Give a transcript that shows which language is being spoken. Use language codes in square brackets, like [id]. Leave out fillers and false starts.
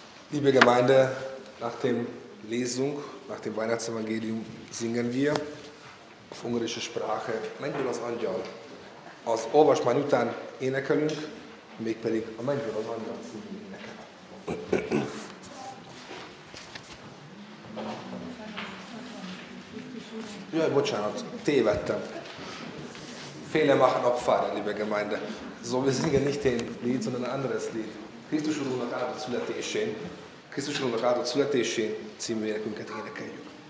[de] Liebe Gemeinde, nach der Lesung, nach dem Weihnachtsevangelium singen wir auf ungarische Sprache Mennyből az Angyal. [hu] Az olvasmány után énekelünk, mégpedig a Mennyből az Angyal című éneket. Jaj, bocsánat, tévedtem. [de] Féle machen Opfer, liebe Gemeinde. So, wir singen nicht den Lied, sondern ein anderes Lied. [hu] Krisztus Urunknak áldott születésén. Krisztus Urunknak áldott születésén című énekünket énekeljük.